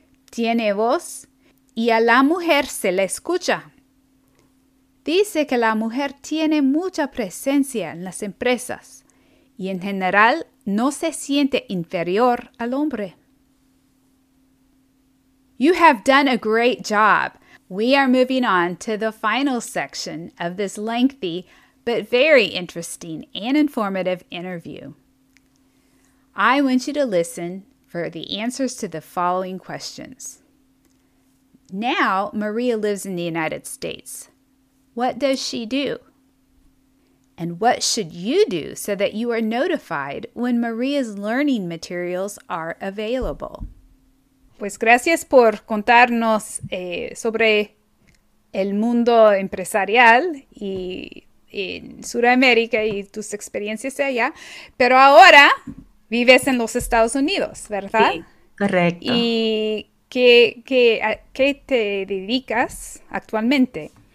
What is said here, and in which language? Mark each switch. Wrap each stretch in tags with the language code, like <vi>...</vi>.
<es>Tiene voz y a la mujer se le escucha. Dice que la mujer tiene mucha presencia en las empresas y en general no se siente inferior al hombre.</es> <en>You have done a great job. We are moving on to the final section of this lengthy but very interesting and informative interview. I want you to listen for the answers to the following questions. Now, Maria lives in the United States. What does she do? And what should you do so that you are notified when Maria's learning materials are available?</en> <es>Pues gracias por contarnos sobre el mundo empresarial y en Sudamérica y tus experiencias allá. Pero ahora vives en los Estados Unidos, ¿verdad? Sí, correcto. ¿Y qué te dedicas actualmente?</es>